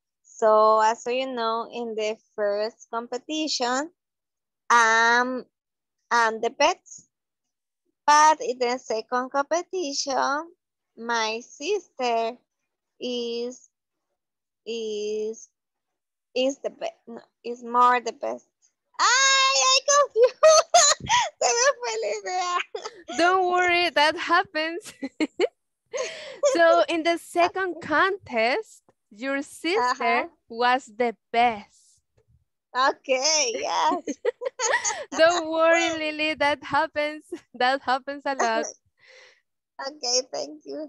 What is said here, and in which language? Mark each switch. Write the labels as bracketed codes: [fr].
[en] So as you know, in the first competition, I'm the best. But in the second competition, my sister is the best. No, is more the best. [es] Ay, [en] I confused. [es] Se me fue la idea. [en] Don't worry, that happens. So in the second contest, your sister was the best. Okay, yes. Don't worry, Lily, that happens. That happens a lot. Okay, thank you.